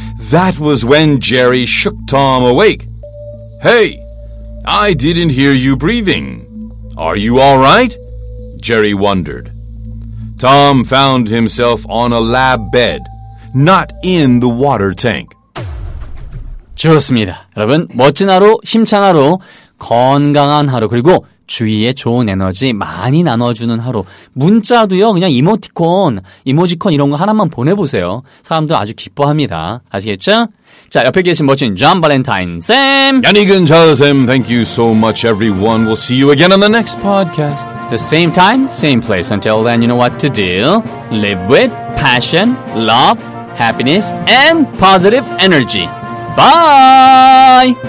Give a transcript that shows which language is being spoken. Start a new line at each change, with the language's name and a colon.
English: That was when Jerry shook Tom awake. Hey, I didn't hear you breathing. Are you all right? Jerry wondered. Tom found himself on a lab bed, not in the water tank.
Korean: 좋습니다. 여러분, 멋진 하루, 힘찬 하루, 건강한 하루, 그리고 주위에 좋은 에너지 많이 나눠주는 하루. 문자도요, 그냥 이모티콘 이런 거 하나만 보내보세요. 사람들 아주 기뻐합니다. 아시겠죠? 자, 옆에 계신 멋진 존 발렌타인 쌤.
English: 야니근 자쌤, thank you so much everyone. We'll see you again on the next podcast. The same time, same place. Until then, you know what to do. Live with passion, love, happiness, and positive energy. Bye!